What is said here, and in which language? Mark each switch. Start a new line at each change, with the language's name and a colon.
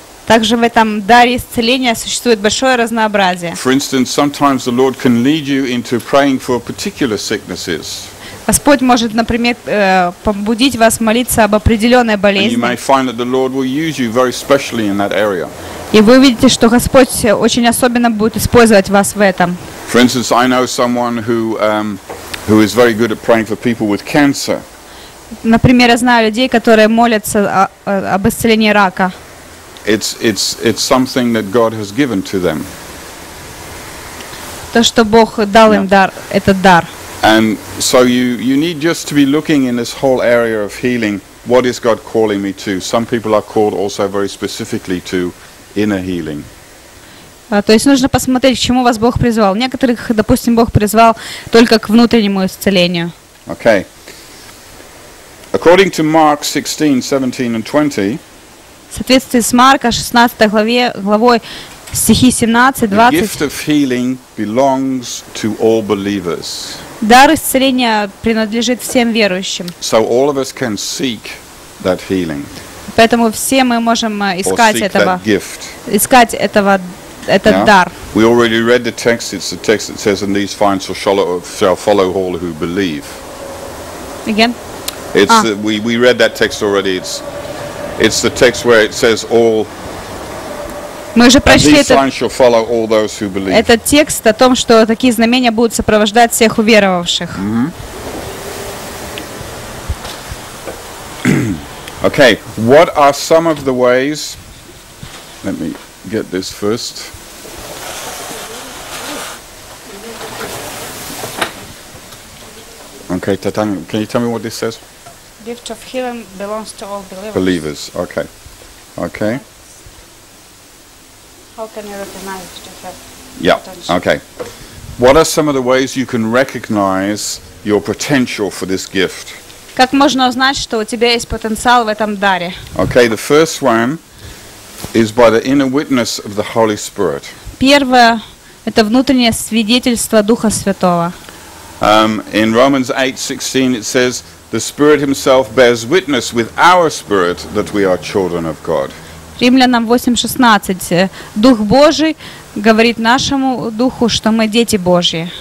Russian: Также в этом даре исцеления существует большое разнообразие.
English: For instance, sometimes the Lord can lead you into praying for particular sicknesses.
Russian: Господь может, например, побудить вас молиться об определенной болезни.
English: And you may find that the Lord will use you very specially in that area.
Russian: И вы увидите, что Господь очень особенно будет использовать вас в этом.
English: For instance, I know someone who is very good at praying for people with cancer.
Russian: Например, я знаю людей, которые молятся об исцелении рака.
English: It's something that God has given to them.
Russian: То, что Бог дал им дар, этот дар.
English: And so you need just to be looking in this whole area of healing. What is God calling me to? Some people are called also very specifically to inner healing.
Russian: То есть нужно посмотреть, к чему вас Бог призвал. Некоторых, допустим, Бог призвал только к внутреннему исцелению.
English: Okay. According to Mark 16, 17 and 20.
Russian: В соответствии с Марка 16 главой стихи 17-20.
English: The gift of healing belongs to all believers.
Russian: Дар исцеления принадлежит всем верующим.
English: So all of us can seek that healing.
Russian: Поэтому все мы можем искать этого. Искать этого этот дар.
English: We already read the text. It's the text that says, "And these signs shall follow all who believe." Again. We read that text already. It's the text where it says all.
Russian: Мы уже прочли этот текст о том, что такие знамения будут сопровождать всех уверовавших.
English: Okay, what are some of the ways? Let me get this first. Okay, Tatang, can you tell me what this says? Gift of healing belongs to all believers. Believers, okay. Okay. How can you recognize your potential? Yeah, okay. What are some of the ways you can recognize your potential for this gift?
Russian: Как можно узнать, что у тебя есть потенциал в этом даре?
English: Okay, the first one is by the inner witness of the Holy Spirit.
Russian: Первое – это внутреннее свидетельство Духа Святого.
English: In Romans 8:16 it says, the Spirit himself bears witness with our spirit that we are children of God.
Russian: Римлянам 8:16. Дух Божий говорит нашему духу, что мы дети Божьи.